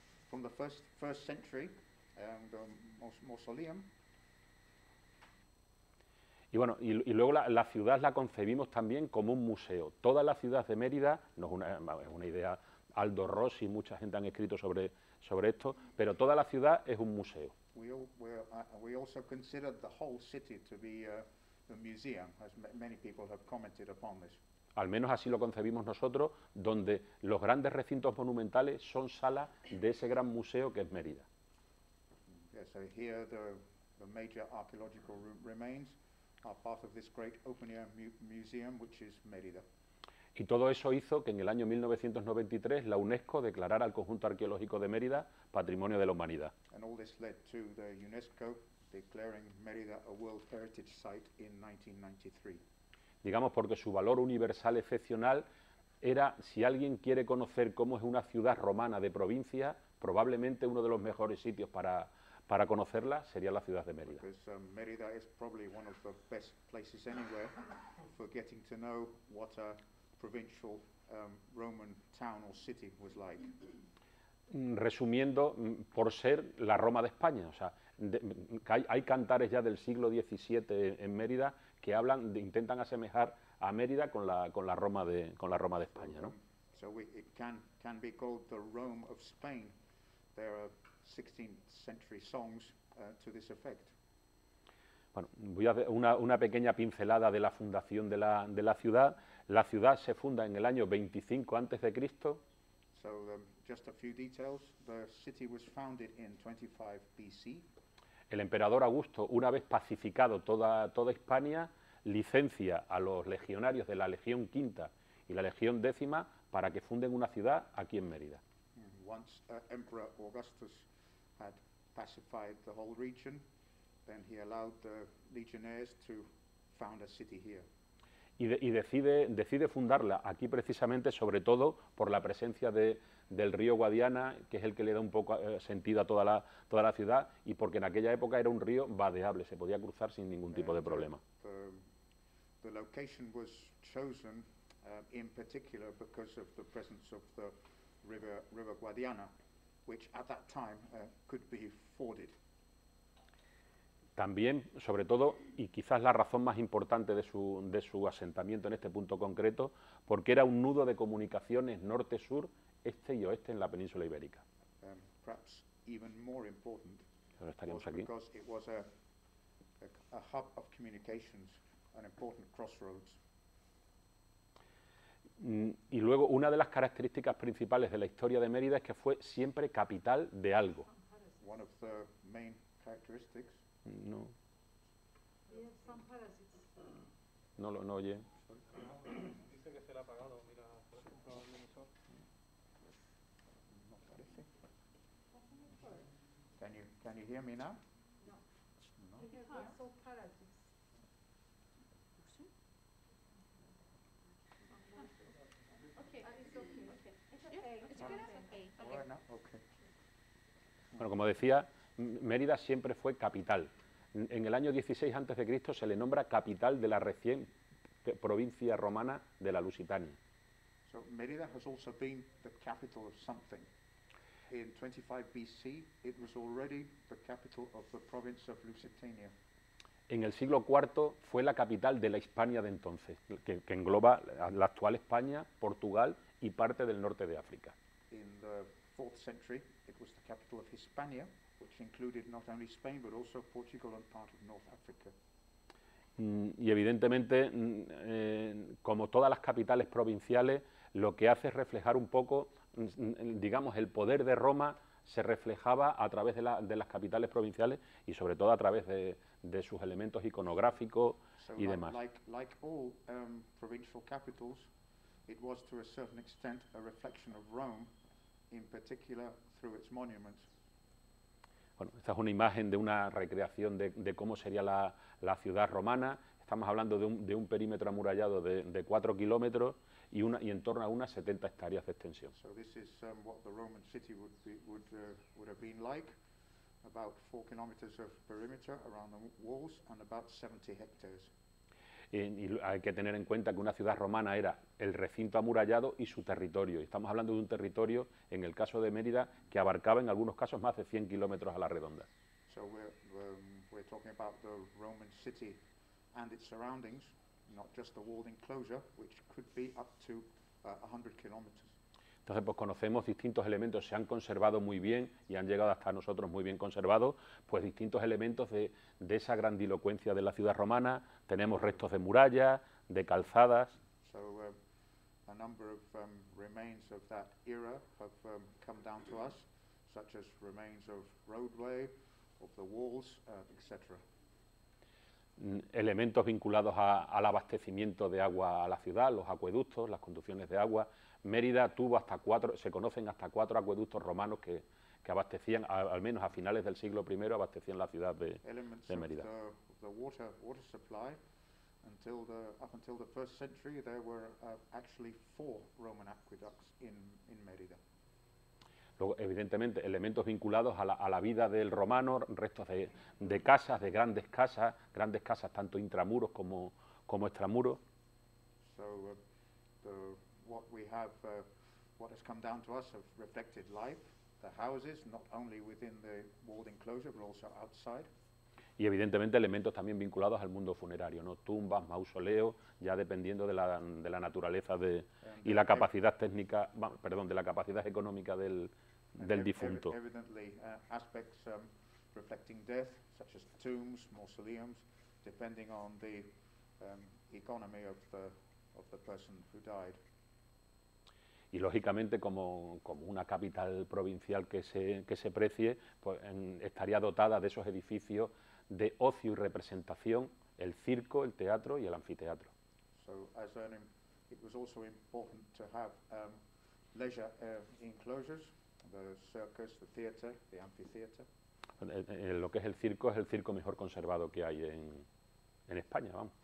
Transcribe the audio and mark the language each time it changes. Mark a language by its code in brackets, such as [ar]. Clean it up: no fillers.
[en] From the first century, the mausoleum. [es] Y bueno, y luego la ciudad la concebimos también como un museo. Toda la ciudad de Mérida, no es una idea Aldo Rossi, y mucha gente han escrito sobre esto, pero toda la ciudad es un museo. [en] We also consider the whole city to be a museum, as many people have commented upon this. [es] Al menos así lo concebimos nosotros, donde los grandes recintos monumentales son salas de ese gran museo que es Mérida. [en] Yeah, so here the major archaeological remains are part of this great open-air museum, which is Mérida. [es] Y todo eso hizo que en el año 1993 la UNESCO declarara al conjunto arqueológico de Mérida Patrimonio de la Humanidad. [en] And all this led to the UNESCO declaring Mérida a World Heritage Site in 1993. [es] Digamos, porque su valor universal excepcional era, si alguien quiere conocer cómo es una ciudad romana de provincia, probablemente uno de los mejores sitios para conocerla sería la ciudad de Mérida. [en] Because Mérida is probably one of the best places anywhere for getting to know what a provincial Roman town or city was like. [es] Resumiendo, por ser la Roma de España, o sea, hay cantares ya del siglo XVII en Mérida que hablan, intentan asemejar a Mérida con la Roma de España, ¿no? [en] So it can be called the Rome of Spain. There are 16th century songs to this effect. [es] Bueno, voy a hacer una pequeña pincelada de la fundación de la ciudad. La ciudad se funda en el año 25 antes de Cristo. [en] So just a few details. The city was founded in 25 BC. [es] El emperador Augusto, una vez pacificado toda Hispania, licencia a los legionarios de la Legión Quinta y la Legión Décima para que funden una ciudad aquí en Mérida. [en] Once Emperor Augustus had pacified the whole region, then he allowed the legionaries to found a city here. [es] Y decide fundarla aquí precisamente, sobre todo por la presencia del río Guadiana, que es el que le da un poco sentido a toda la ciudad, y porque en aquella época era un río vadeable, se podía cruzar sin ningún tipo de problema. [en] The location was chosen in particular because of the presence of the river Guadiana, which at that time could be forded. [es] También, sobre todo, y quizás la razón más importante de su asentamiento en este punto concreto, porque era un nudo de comunicaciones norte-sur, este y oeste en la península ibérica. [en] Perhaps even more important, [es] ahora estaríamos aquí. [en] Because it was a hub of communications, an important crossroads. [es] Y luego, una de las características principales de la historia de Mérida es que fue siempre capital de algo. [en] One of the main characteristics. [es] No. [en] Yes, some parasites. [es] No lo no oye. Dice que se le ha apagado, mira, por el emisor. No parece. [en] Can you hear me now? No. No. Parasites. Okay, it's okay. Okay. It's okay. [es] Bueno, como decía, Mérida siempre fue capital. En el año 16 a.C. se le nombra capital de la recién provincia romana de la Lusitania. [en] So Mérida has also been the capital of something. In 25 BC, it was already the capital of the province of Lusitania. [es] En el siglo IV fue la capital de la Hispania de entonces, que engloba la actual España, Portugal y parte del norte de África. [en] In the 4th century, it was the capital of Hispania, which included not only Spain, but also Portugal and part of North Africa. [es] Y evidentemente, como todas las capitales provinciales, lo que hace es reflejar un poco, digamos, el poder de Roma se reflejaba a través de las capitales provinciales y sobre todo a través de sus elementos iconográficos y demás. [en] Like all provincial capitals, it was to a certain extent a reflection of Rome, in particular through its monuments. [es] Bueno, esta es una imagen de una recreación de cómo sería la ciudad romana. Estamos hablando de un perímetro amurallado de 4 kilómetros y en torno a unas 70 hectáreas de extensión. [en] So this is what the Roman city would have been like, about 4 kilómetros of perimeter around the walls and about 70 hectares. [es] Y hay que tener en cuenta que una ciudad romana era el recinto amurallado y su territorio. Y estamos hablando de un territorio, en el caso de Mérida, que abarcaba en algunos casos más de 100 kilómetros a la redonda. [en] So we're talking about the Roman city and its surroundings, not just the walled enclosure, which could be up to 100 kilómetros. [es] Entonces, pues conocemos distintos elementos, se han conservado muy bien y han llegado hasta nosotros muy bien conservados, pues distintos elementos de esa grandilocuencia de la ciudad romana. Tenemos restos de murallas, de calzadas. [en] So, a number of remains of that era have come down to us, such as remains of roadway, of the walls, etc. [es] Elementos vinculados al abastecimiento de agua a la ciudad, los acueductos, las conducciones de agua. Mérida tuvo se conocen hasta cuatro acueductos romanos que abastecían, al menos a finales del siglo I, abastecían la ciudad de Mérida. [en] The water supply, up until the first century, there were actually 4 Roman aqueducts in Mérida. [es] Luego, evidentemente, elementos vinculados a la vida del romano, restos de casas, de grandes casas tanto intramuros como extramuros. [en] So, what we have, what has come down to us, have reflected life, the houses, not only within the walled enclosure, but also outside. [es] Y evidentemente elementos también vinculados al mundo funerario, ¿no? Tumbas, mausoleos, ya dependiendo de la naturaleza y la capacidad técnica, bueno, perdón, de la capacidad económica del difunto. [en] Evidently, aspects reflecting death, such as tombs, mausoleums, depending on the economy of the person who died. [es] Y lógicamente, como una capital provincial que se precie, pues estaría dotada de esos edificios de ocio y representación, el circo, el teatro y el anfiteatro. [en] So, as an it was also important to have leisure enclosures, the circus, the theater, the amphitheater. [es] Lo que es el circo mejor conservado que hay en España, vamos.